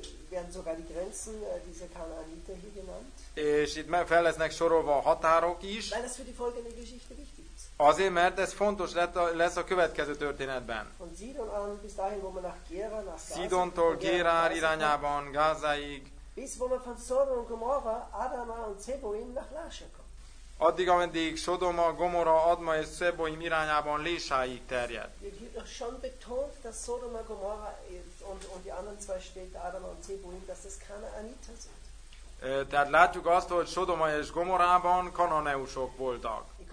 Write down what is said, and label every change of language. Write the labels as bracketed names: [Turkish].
[German] Werden sogar die Grenzen dieser Kanaaniter hier genannt. [Hungarian] És itt fel lesznek sorolva a határok is. [German] Weil das für die folgende Geschichte wichtig ist. [Hungarian] Azért, mert ez fontos lesz a következő történetben. [German] Von Sidon an, bis dahin, wo man nach Gera, nach Gaza. [Hungarian] Szidontól Gerár irányában, Gázaig. [German] Bis wo man von Sodom und Gomorra, Adama und Zeboim nach Lásha kommt. [Hungarian] Addig, ameddig Sodoma, Gomorra, Adma és Zeboim irányában Lésáig terjed. [German] Hier wird schon betont, dass Sodom und Gomorra und die anderen zwei Städte Adama und Zeboim, dass das Kanaaniter sind. [Hungarian] Tehát látjuk azt, hogy Sodoma és Gomorában kananeusok voltak.